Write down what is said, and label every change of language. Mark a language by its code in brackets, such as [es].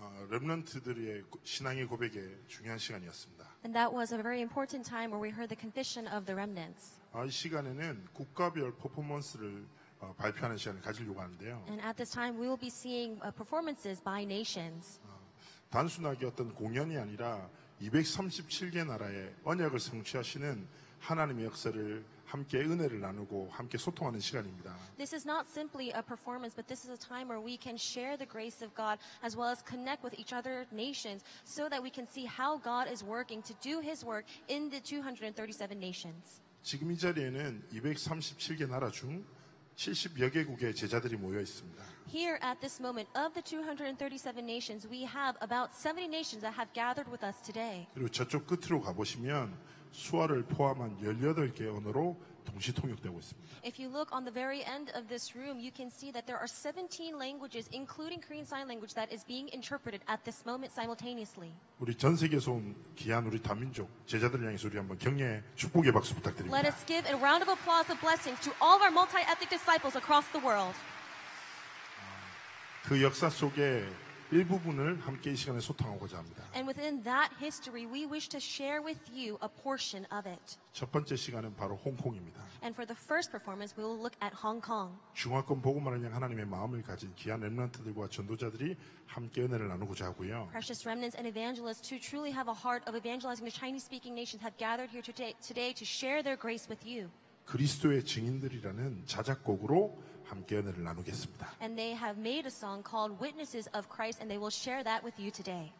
[ko] 렘넌트들의 신앙의 고백의 중요한 시간이었습니다. [en] And that was a very important time where we heard the confession of the remnants. [ko] 이 시간에는 국가별 퍼포먼스를 발표하는 시간을 가지려고 하는데요. [en] And at this time we will be seeing performances by nations. [ko] 단순하게 어떤 공연이 아니라 237개 나라의 언약을 성취하시는 하나님의 역사를 함께 은혜를 나누고 함께 소통하는 시간입니다. [en] This is not simply a performance, but this is a time where we can share the grace of God as well as connect with each other nations so that we can see how God is working to do His work in the 237 nations. [ko] 지금 이 자리에는 237개 나라 중 70여 개국의 제자들이 모여 있습니다. [en] Here at this moment of the 237 nations, we have about 70 nations that have gathered with us today. [ko] 그리고 저쪽 끝으로 가보시면 수화를 포함한 18개 언어로 동시 통역되고 있습니다. [en] If you look on the very end of this room, you can see that there are 17 languages, including Korean Sign Language, that is being interpreted at this moment simultaneously. [ko] 우리 전 세계에서 온 귀한 우리 다민족 제자들 향해서 우리 한번 경례 축복의 박수 부탁드립니다. [en] Let us give a round of applause of blessings to all of our multi-ethnic disciples across the world. [ko] 그 역사 속에 일부분을 함께 이 시간에 소통하고자 합니다. [en] And within that history, we wish to share with you a portion of it. [ko] 첫 번째 시간은 바로 홍콩입니다. [en] And for the first performance, we will look at Hong Kong. [ko] 중화권 복음을 향한 하나님의 마음을 가진 귀한 렘넌트들과 전도자들이 함께 은혜를 나누고자 하고요. [en] Precious remnants and evangelists who truly have a heart of evangelizing the Chinese-speaking nations have gathered here today to share their grace with you. [ko] 그리스도의 증인들이라는 자작곡으로 함께 은혜를 나누겠습니다. [en] And they have made a song called Witnesses of Christ and they will share that with you today.